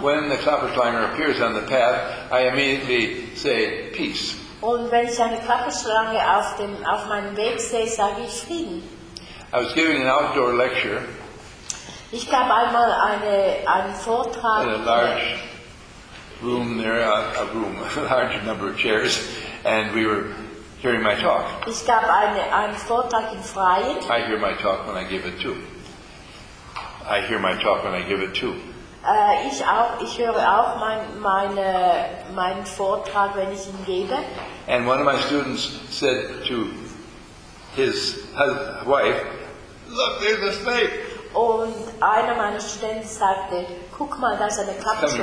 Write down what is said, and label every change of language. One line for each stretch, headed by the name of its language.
English: When the Klapperschlange appears on the path, I immediately say peace.
German: Und wenn ich eine Klapperschlange auf meinem Weg sehe, sage ich Frieden.
English: I was giving an outdoor lecture.
German: Ich gab einmal einen Vortrag.
English: In a large room there, a large number of chairs, and we were hearing my talk.
German: Ich gab einen Vortrag im Freien.
English: I hear my talk when I give it too. I hear my talk when I give it too.
German: Ich höre auch meinen Vortrag, wenn ich ihn gebe.
English: And one of my students said to his wife, "Look, there's a snake."
German: Und einer meiner Studenten sagte, guck mal, da ist eine Klapperschlange.